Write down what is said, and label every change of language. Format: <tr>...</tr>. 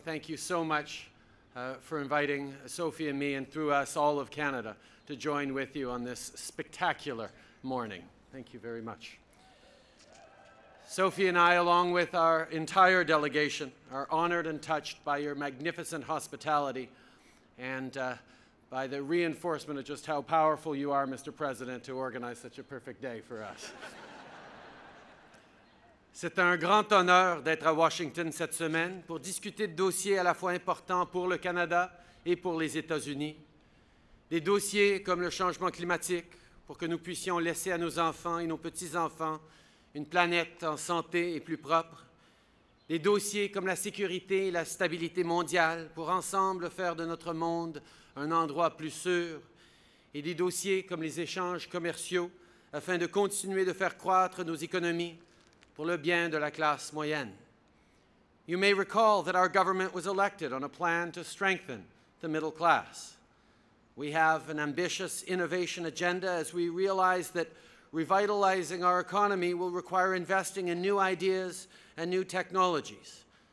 <en>Thank you so much for inviting Sophie and me, and through us, all of Canada, to join with you on this spectacular morning. Thank you very much. Sophie and I, along with our entire delegation, are honored and touched by your magnificent hospitality and by the reinforcement of just how powerful you are, Mr. President, to organize such a perfect day for us.</en> <fr>C'est un grand honneur d'être à Washington cette semaine pour discuter de dossiers à la fois importants pour le Canada et pour les États-Unis. Des dossiers comme le changement climatique, pour que nous puissions laisser à nos enfants et nos petits-enfants une planète en santé et plus propre. Des dossiers comme la sécurité et la stabilité mondiale, pour ensemble faire de notre monde un endroit plus sûr, et des dossiers comme les échanges commerciaux, afin de continuer de faire croître nos économies pour le bien de la classe moyenne.</fr> <en>You may recall that our government was elected on a plan to strengthen the middle class. We have an ambitious innovation agenda as we realize that revitalizing our economy will require investing in new ideas and new technologies.</en>